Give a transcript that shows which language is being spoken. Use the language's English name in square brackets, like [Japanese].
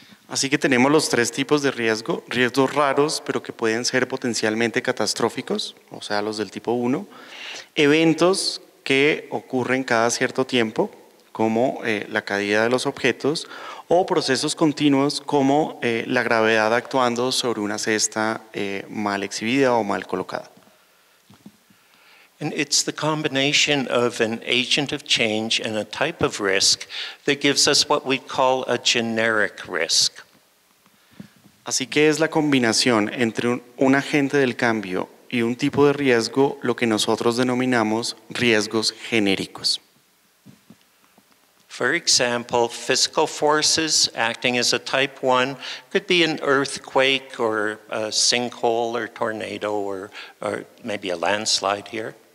[Spanish] Así que tenemos los tres tipos de riesgo, riesgos raros, pero que pueden ser potencialmente catastróficos, o sea, los del tipo 1, eventos que ocurren cada cierto tiempo, como la caída de los objetos, o procesos continuos, como la gravedad actuando sobre una cesta mal exhibida o mal colocada. [English] And it's the combination of an agent of change and a type of risk that gives us what we call a generic risk. [Spanish] Así que es la combinación entre un agente del cambio y un tipo de riesgo lo que nosotros denominamos riesgos genéricos. [English] For example, physical forces acting as a type 1 could be an earthquake or a sinkhole or tornado or maybe a landslide here.